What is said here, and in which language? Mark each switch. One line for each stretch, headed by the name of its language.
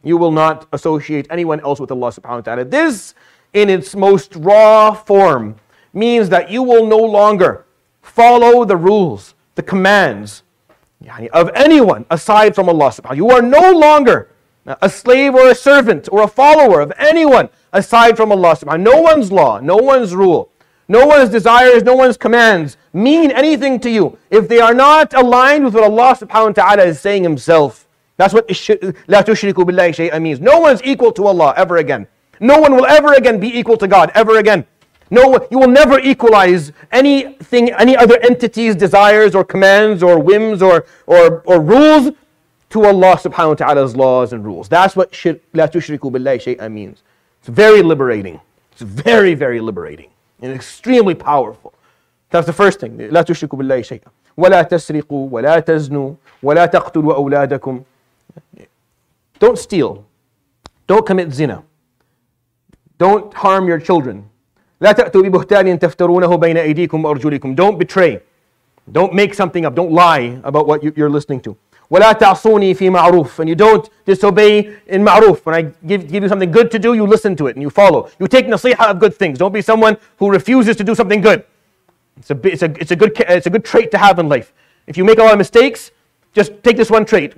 English: You will not associate anyone else with Allah subhanahu wa ta'ala. This, in its most raw form, means that you will no longer follow the rules, the commands of anyone aside from Allah subhanahu wa ta'ala. You are no longer a slave or a servant or a follower of anyone aside from Allah subhanahu wa ta'ala. No one's law, no one's rule, no one's desires, no one's commands mean anything to you if they are not aligned with what Allah subhanahu wa ta'ala is saying himself. That's what
Arabic: لا تُشْرِكُوا بِاللَّهِ شَيْئًا
English: means. No one's equal to Allah ever again. No one will ever again be equal to God ever again. No, you will never equalize anything, any other entity's desires or commands or whims or rules to Allah subhanahu wa ta'ala's laws and rules. That's what
Arabic: لا تُشْرِكُوا بِاللَّهِ شَيْئًا
English: means. It's very liberating. It's very, very liberating and extremely powerful.
Arabic: That's the first thing. لا تُشْرِكُوا بِاللَّهِ شَيْئًا. وَلَا تَسْرِقُوا وَلَا تَزْنُوا وَلَا تَقْتُلُوا أَوْلَادَكُمْ.
English: Don't steal. Don't commit zina. Don't harm your children.
Arabic: لا تأتوا ببهتان تفترونه بين أيديكم وأرجلكم.
English: Don't betray. Don't make something up. Don't lie about what you're listening to.
Arabic: ولا تعصوني في معروف.
English: And you don't disobey in معروف. When I give you something good to do, you listen to it and you follow. You take nasiha of good things. Don't be someone who refuses to do something good. It's a good trait to have in life. If you make a lot of mistakes, just take this one trait.